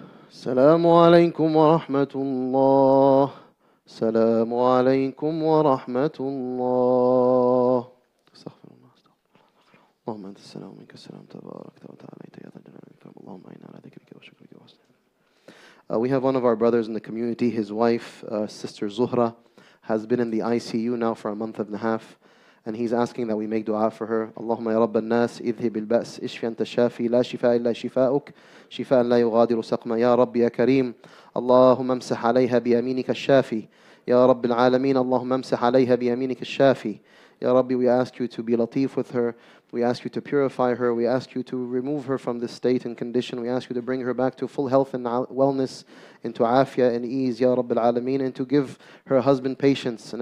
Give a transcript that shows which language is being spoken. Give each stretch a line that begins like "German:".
Arabic: السلام عليكم ورحمة الله السلام عليكم ورحمة الله استغفر الله استغفر الله اللهم أنت السلام منك السلام تبارك وتعالى اللهم أين على ذكرك وشكرك وحسن
English: We have one of our brothers in the community. His wife, Sister Zuhra, has been in the ICU now for a month and a half. And he's asking that we make dua for her.
Arabic: اللهم يا رب الناس اذهب البأس اشفي انت الشافي لا شفاء الا شفاؤك شفاء لا يغادر سقما يا رب يا كريم اللهم امسح عليها بيمينك الشافي يا رب العالمين اللهم امسح عليها بيمينك الشافي يا ربي
English: we ask you to be latif with her. We ask you to purify her. We ask you to remove her from this state and condition. We ask you to bring her back to full health and wellness, into afia and ease, ya rabbil alameen, and to give her husband patience and